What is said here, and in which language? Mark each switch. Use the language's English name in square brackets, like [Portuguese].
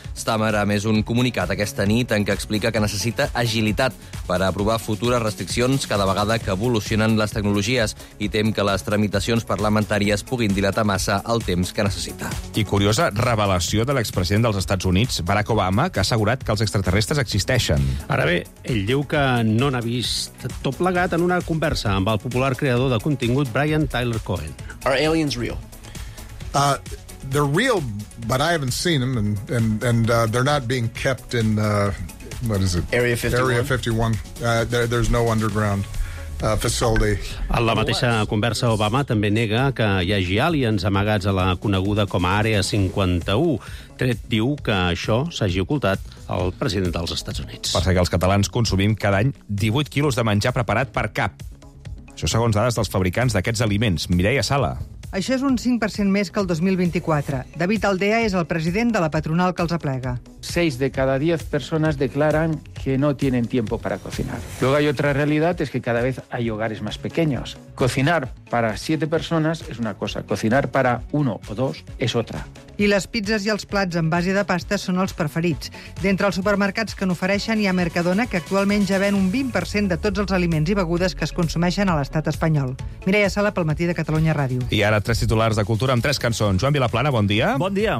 [Catalan] Starmer ha emès un comunicat aquesta nit en què explica que necessita agilitat per aprovar futures restriccions cada vegada que evolucionen les tecnologies i tem que les tramitacions parlamentàries puguin dilatar massa el temps que necessita. I curiosa revelació de l'expresident dels Estats Units, Barack Obama, que ha assegurat que els extraterrestres existeixen. Ara bé, ell diu que no n'ha vist tot plegat en una conversa amb el popular creador de contingut Brian Tyler Cohen. [English] Are aliens real? They're real, but I haven't seen them, and they're not being kept in, what is it? Area 51. Area 51. There's no underground facility. [Catalan] A la mateixa conversa, Obama també nega que hi hagi aliens amagats a la coneguda com a Àrea 51, tret diu que això s'hagi ocultat al president dels Estats Units. Per ser que els catalans consumim cada any 18 quilos de menjar preparat per cap. Això segons dades dels fabricants d'aquests aliments. Mireia Sala. Això és un 5% més que el 2024. David Aldea és el president de la patronal que els aplega. [Spanish] 6 de cada 10 persones declaran que no tienen tiempo para cocinar. Luego hay otra realidad, es que cada vez hay hogares más pequeños. Cocinar para 7 personas es una cosa, cocinar para 1 o 2 es otra. [Catalan] I les pizzas i els plats en base de pasta són els preferits. D'entre els supermercats que n'ofereixen hi ha Mercadona, que actualment ja ven un 20% de tots els aliments i begudes que es consumeixen a l'estat espanyol. Mireia Sala, pel matí de Catalunya Ràdio. I ara tres titulars de cultura amb tres cançons. Joan Vilaplana, bon dia. Bon dia.